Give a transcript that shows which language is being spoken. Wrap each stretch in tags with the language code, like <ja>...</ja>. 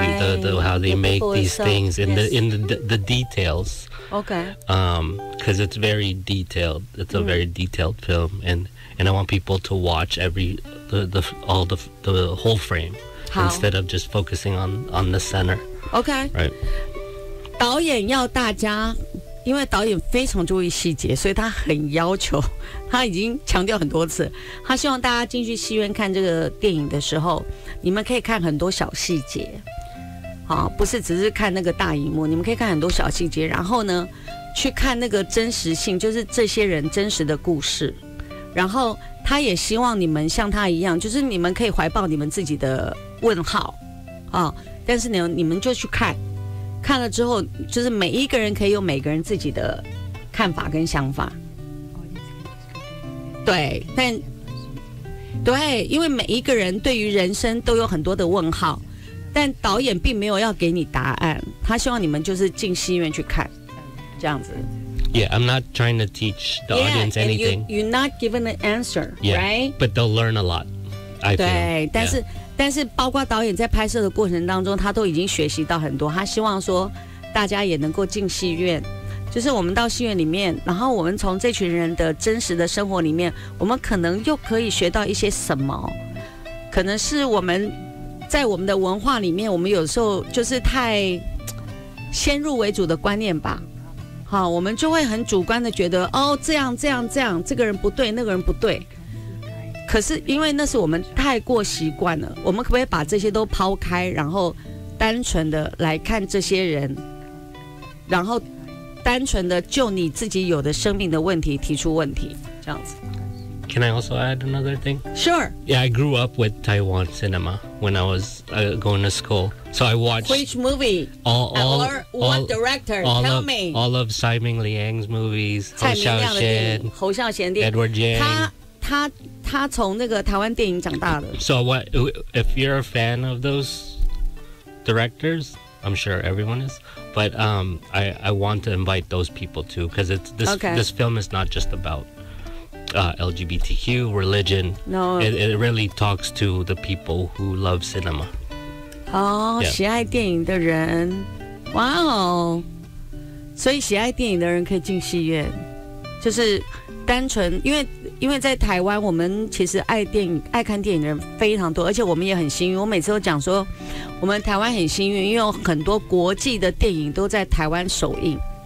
<en>right. the how they the make these itself, things in、yes. the details. Okay. Because it's very detailed. It's a very detailed film, and I want people to watch the whole frame、 how? instead of just focusing on the center. Okay. Right.</en> <zh>导演要大家，因为导演非常注意细节，所以他很要求，他已经强调很多次，他希望大家进去戏院看这个电影的时候，你们可以看很多小细节，好，不是只是看那个大荧幕，你们可以看很多小细节，然后呢，去看那个真实性，就是这些人真实的故事，然后他也希望你们像他一样，就是你们可以怀抱你们自己的问号，啊，但是你们就去看。看了之后，就是每一个人可以有每个人自己的看法跟想法。对，但对，因为每一个人对于人生都有很多的问号，但导演并没有要给你答案，他希望你们就是进戏院去看，这样子。</zh> <en>Yeah, I'm not trying to teach the audience anything. You're not given an answer, yeah, right? But they'll learn a lot. I</en> <zh>对，</zh> <en>feel,</en> <zh>但是。</zh> <en>Yeah.</en> <zh>但是包括导演在拍摄的过程当中，他都已经学习到很多，他希望说大家也能够进戏院，就是我们到戏院里面，然后我们从这群人的真实的生活里面，我们可能又可以学到一些什么，可能是我们在我们的文化里面，我们有时候就是太先入为主的观念吧，好，我们就会很主观的觉得，哦，这样这样这样，这个人不对，那个人不对。可是因为那是我们太过习惯了，我们可不可以把这些都抛开，然后单纯的来看这些人，然后单纯的就你自己有的生命的问题提出问题，这样子。</zh> <en>Can I also add another thing? Sure. Yeah, I grew up with Taiwan cinema when I was、going to school. So I watched... Which movie? All, tell me. All of Simon Liang's movies.</en> <zh>蔡明亮的电影。侯孝贤电影。</zh> <en>Edward Yang.</en> <zh>他从那个台湾电影长大的。</zh> <en>So what, if you're a fan of those directors... I'm sure everyone is, but、I want to invite those people too because this,、 okay. this film is not just about、LGBTQ, religion. No. It really talks to the people who love cinema. Oh,、yeah.</en> <zh>喜爱电影的人</zh> <en>Wow.</en> <zh>所以喜爱电影的人可以进戏院就是单纯因为在台湾我们其实爱电影爱看电影的人非常多而且我们也很幸运我每次都讲说我们台湾很幸运因为有很多国际的电影都在台湾首映</zh>